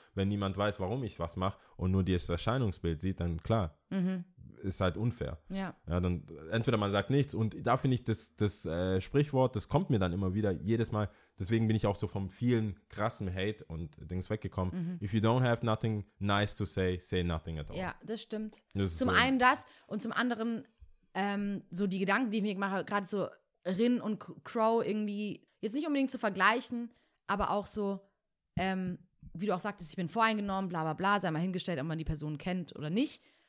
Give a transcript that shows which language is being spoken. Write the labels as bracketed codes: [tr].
[de] Wenn niemand weiß, warum ich was mache und nur das Erscheinungsbild sieht, dann klar, ist halt unfair. Ja. Ja, dann entweder man sagt nichts und da finde ich das Sprichwort, das kommt mir dann immer wieder jedes Mal. Deswegen bin ich auch so vom vielen krassen Hate und Dings weggekommen. Mhm. [en] If you don't have nothing nice to say, say nothing at all. [de] Ja, das stimmt. Das zum so einen das und zum anderen so die Gedanken, die ich mir mache, gerade so Rin und Crow irgendwie, jetzt nicht unbedingt zu vergleichen, aber auch so, wie du auch sagtest, ich bin voreingenommen, bla bla bla, sei mal hingestellt, ob man die Person kennt oder nicht.